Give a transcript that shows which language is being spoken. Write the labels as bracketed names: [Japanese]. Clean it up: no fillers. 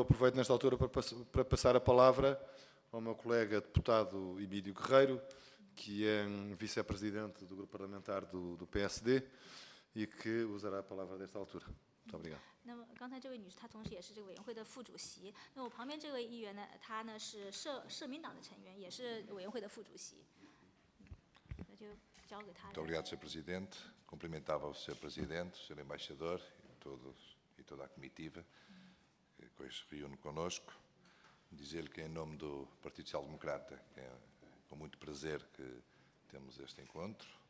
[Portuguese] aproveito nesta altura para passar a palavra ao meu colega deputado Emílio Guerreiro, que é vice-presidente do grupo parlamentar do PSD e que usará a palavra desta altura. Muito obrigado. [Chinese] 那么刚才这位女士，她同时也是这个委员会的副主席。那我旁边这位议员呢，她呢是社民党的成员，也是委员会的副主席。那就交给她。 [Portuguese] Muito obrigado, senhor presidente. Cumprimentava o senhor presidente, o senhor embaixador e toda a comitiva que hoje se reúne conosco. Dizer-lhe que em nome do Partido Social Democrata, que é com muito prazer que temos este encontro.